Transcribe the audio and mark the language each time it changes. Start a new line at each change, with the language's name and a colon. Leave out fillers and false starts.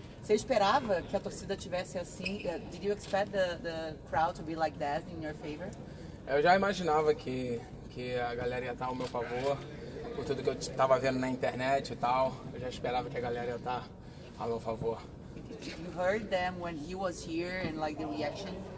Portuguese: Você esperava que a torcida tivesse assim?
English: Did you expect the crowd to be like that in your favor?
Portuguese: Eu já imaginava que a galera ia estar ao meu favor por tudo que eu estava vendo na internet e tal. Eu já esperava que a galera ia estar ao meu favor.
English: You heard them when he was here and like the reaction?